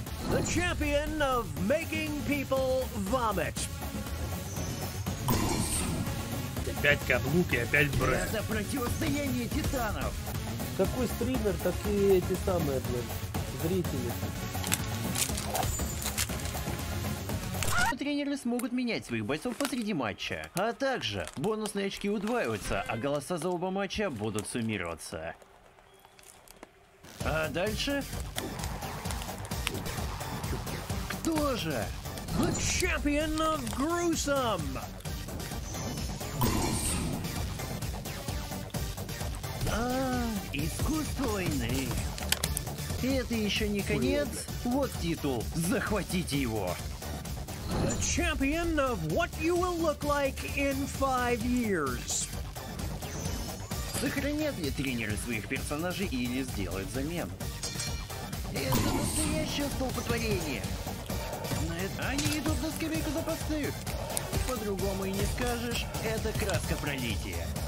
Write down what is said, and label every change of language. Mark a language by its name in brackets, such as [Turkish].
[English] The champion of making people vomit. [Russian] Опять каблук и опять брэ. Это противостояние титанов. Какой стример, такие эти самые, блин, зрители. Тренеры смогут менять своих бойцов посреди матча. А также бонусные очки удваиваются, а голоса за оба матча будут суммироваться. А дальше? Кто же? [English] The champion of gruesome! [Russian] А, искусство войны. Это еще не конец. Вот титул. Захватите его. [English] The champion of what you will look like in 5 years. [Russian] Сохранят ли тренеры своих персонажей или сделают замену? Это настоящее столпотворение. На это... Они идут на скамейку запасных. По-другому и не скажешь, это краска пролития.